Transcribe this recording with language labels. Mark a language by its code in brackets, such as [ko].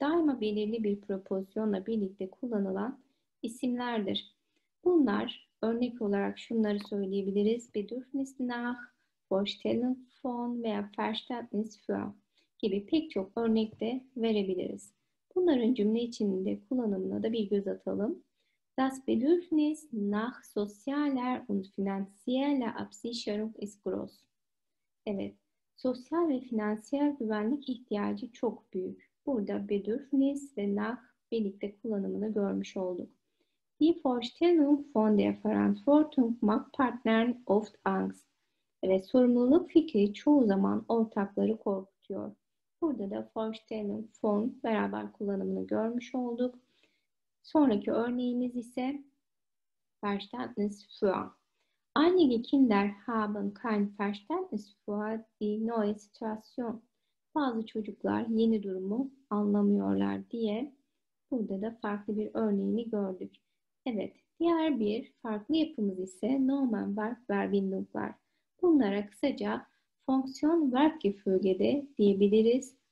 [tr] Daima belirli bir propozisyonla birlikte kullanılan isimlerdir. Bunlar örnek olarak şunları söyleyebiliriz. Bedürfnis nach, Vorstellung von veya Verständnis für gibi pek çok örnek de verebiliriz. Bunların cümle içinde kullanımına da bir göz atalım. [de] Das Bedürfnis nach sozialer und finanzieller Absicherung ist groß. [tr] Evet, sosyal ve finansiyel güvenlik ihtiyacı çok büyük. Burada Bedürfnis ve nach birlikte kullanımını görmüş olduk. [de] Die Vorstellung von der Verantwortung macht Partnern oft Angst. [tr] Evet, sorumluluk fikri çoğu zaman ortakları korkutuyor. Burada da Vorstellung von beraber kullanımını görmüş olduk. Sonraki örneğimiz ise Verständnis für. [de] Einige Kinder haben kein Verständnis für die neue Situation. [tr] Bazı çocuklar yeni durumu anlamıyorlar diye burada da farklı bir örneğini gördük. Evet, diğer bir farklı yapımız ise nomen verb verbindunglar. Bunlara kısaca fonksiyon verb gefüge de diyebiliriz.